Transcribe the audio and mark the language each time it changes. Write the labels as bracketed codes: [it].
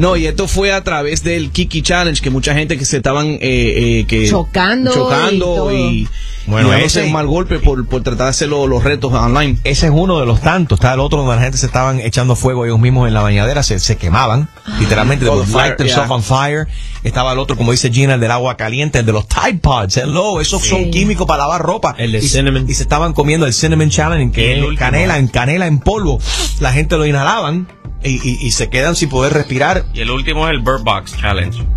[es] No, y esto fue a través del Kiki Challenge, que mucha gente que se estaban que chocando y bueno, y ese es un mal golpe por tratar de hacer los retos online. Ese es uno de los tantos. Está el otro donde la gente se estaban echando fuego ellos mismos en la bañadera, se quemaban. [en] Ay, literalmente, they would light themselves on fire. [es] Estaba el otro, como dice Gina, el del agua caliente, el de los Tide Pods. [en] Hello, [es] esos son químicos para lavar ropa. El de cinnamon. Y se estaban comiendo el Cinnamon Challenge, que es canela en polvo. La gente lo inhalaban y se quedan sin poder respirar. Y el último es el Bird Box Challenge.